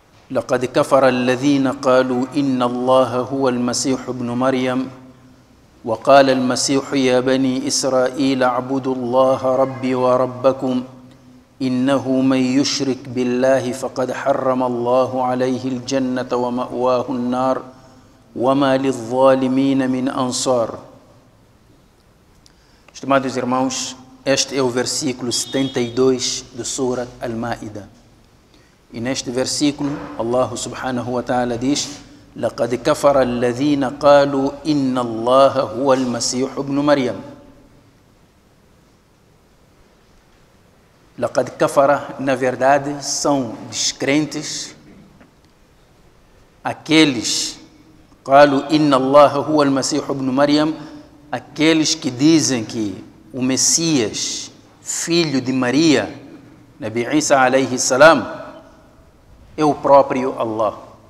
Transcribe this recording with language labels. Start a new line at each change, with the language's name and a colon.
Arabic: لقد كفر الذين قالوا إن الله هو المسيح ابن مريم وقال المسيح يا بني إسرائيل اعبدوا الله ربي وربكم إنه من يشرك بالله فقد حرم الله عليه الجنة ومأواه النار وما للظالمين من أنصار.
Portuguese: Estimados irmãos, este é o versículo 72 da sura Al-Ma'idah. E neste versículo, Allah subhanahu wa ta'ala diz:
Arabic: لَقَدْ كَفَرَ الَّذِينَ قَالُوا إِنَّ اللَّهَ هُوَ الْمَسِيحُ بْنُ مَرْيَمُ. لَقَدْ كَفَرَ,
Portuguese: na verdade, são descrentes aqueles,
Arabic: قَالُوا إِنَّ اللَّهَ هُوَ الْمَسِيحُ بْنُ مَرْيَمُ,
Portuguese: aqueles que dizem que o Messias, filho de Maria, Nabi Isa alayhi salam, é o próprio Allah.